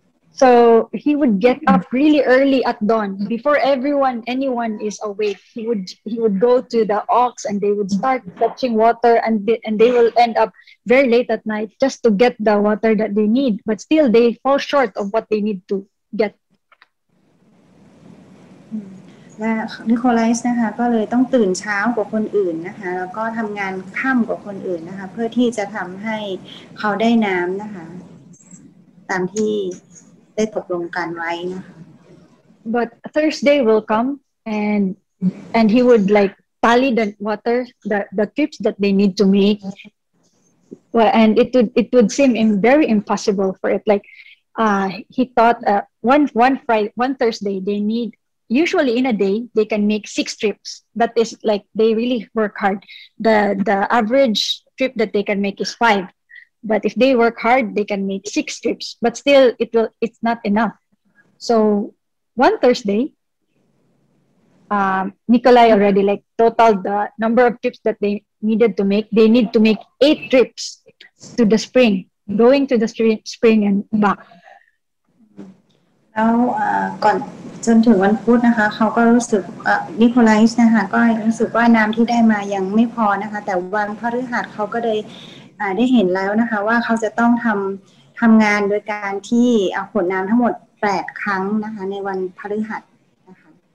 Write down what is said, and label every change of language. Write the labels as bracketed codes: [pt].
[en] So he would get up really early at dawn before anyone is awake. He would go to the ox and they would start fetching water and they will end up very late at night just to get the water that they need. But still, they fall short of what they need to get. [th] และนิโคลัสนะคะก็เลยต้องตื่นเช้ากว่าคนอื่นนะคะแล้วก็ทำงานค่ำกว่าคนอื่นนะคะเพื่อที่จะทำให้เขาได้น้ำนะคะตามที่ได้ตกลงกันไว้นะคะ [en] But Thursday will come and he would like tally the water the trips that they need to make well and it would seem very impossible for it like he thought one Thursday they needUsually in a day, they can make 6 trips. That is like they really work hard. The average trip that they can make is 5. But if they work hard, they can make 6 trips. But still, it's not enough. So one Thursday, Nikolai already like totaled the number of trips that they needed to make. They need to make 8 trips to the spring, going to the spring and back. Now, gone. [th] จนถึงวันพุธนะคะเขาก็รู้สึกนิโคลัสนะคะก็รู้สึกว่าน้ำที่ได้มายังไม่พอนะคะแต่วันพฤหัสเขาก็ได้เห็นแล้วนะคะว่าเขาจะต้องทำงานโดยการที่เอาขนน้ำทั้งหมด8ครั้งนะคะในวันพฤหัสนะคะ